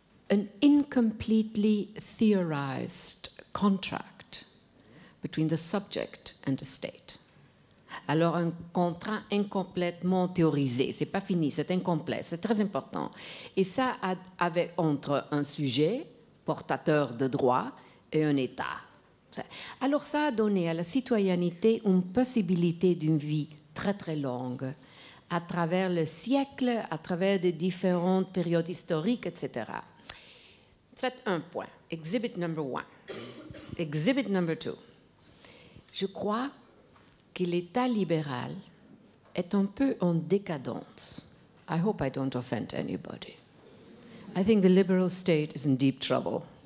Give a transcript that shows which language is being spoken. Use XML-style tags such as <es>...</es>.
<en>An incompletely theorized contract between the subject and the state.</en> <fr>Alors, un contrat incomplètement théorisé, c'est pas fini, c'est incomplet, c'est très important. Et ça, avec, entre un sujet portateur de droits et un État. Alors, ça a donné à la citoyenneté une possibilité d'une vie très très longue, à travers le siècle, à travers des différentes périodes historiques, etc. C'est un point.</fr> <en>Exhibit number one. Exhibit number two.</en> <fr>Je crois que l'État libéral est un peu en décadence.</fr> <en>I hope I don't offend anybody. I think the liberal state is in deep trouble.</en>